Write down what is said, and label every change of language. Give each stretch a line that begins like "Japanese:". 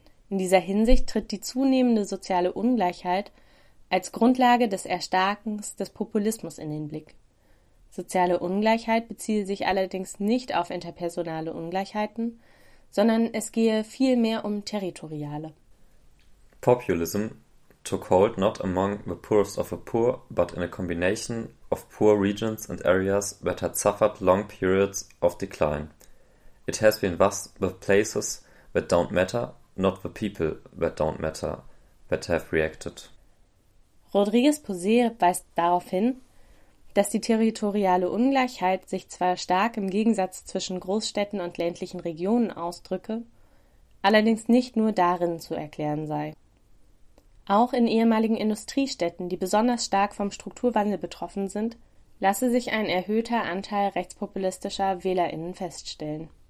German: In dieser Hinsicht tritt die zunehmende soziale Ungleichheit als Grundlage des Erstarkens des Populismus in den Blick. Soziale Ungleichheit beziehe sich allerdings nicht auf interpersonale Ungleichheiten, sondern es gehe vielmehr um territoriale.
English: Populism took hold not among the poorest of the poor, but in a combination of poor regions and areas that had suffered long periods of decline. It has been thus the places that don't matter, not the people that don't matter, that have reacted.
German: Rodríguez Posé weist darauf hin, dass die territoriale Ungleichheit sich zwar stark im Gegensatz zwischen Großstädten und ländlichen Regionen ausdrücke, allerdings nicht nur darin zu erklären sei. Auch in ehemaligen Industriestädten, die besonders stark vom Strukturwandel betroffen sind, lasse sich ein erhöhter Anteil rechtspopulistischer WählerInnen feststellen.